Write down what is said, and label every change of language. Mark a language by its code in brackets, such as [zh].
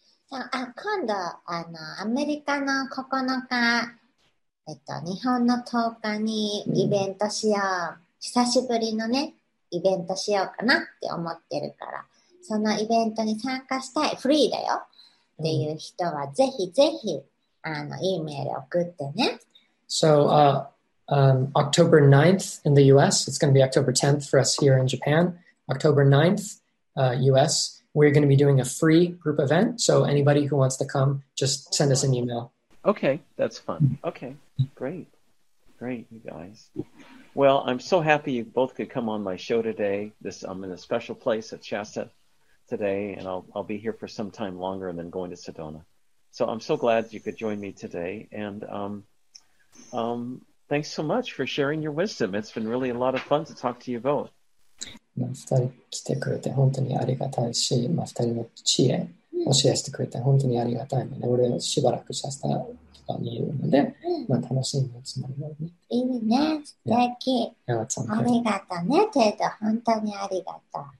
[ja] 今度アメリカの9日、日本の10日にイベントしよう。久しぶりのね、イベントしようかなって思ってるから、そのイベントに参加したい、フリーだよっていう人は、ぜひぜひ、E mail 送ってね。 [en] So, October 9th in the US, it's going to be October 10th for us here in Japan. October 9th, US, we're going to be doing a free group event. So anybody who wants to come, just send us an email. Okay, that's fun. Okay, great. Great, you guys. Well, I'm so happy you both could come on my show today. I'm in a special place at Shasta today, and I'll be here for some time longer than going to Sedona. So I'm so glad you could join me today. And thanks so much for sharing your wisdom. It's been really a lot of fun to talk to you both. [ja] 2人来てくれて本当にありがたいし、2人の知恵をシェアしてくれて本当にありがたいので、俺はしばらくシャスターとかにいるので、楽しみのつもりなのに。いいね、素敵。ありがとうね、テッド。本当にありがとう。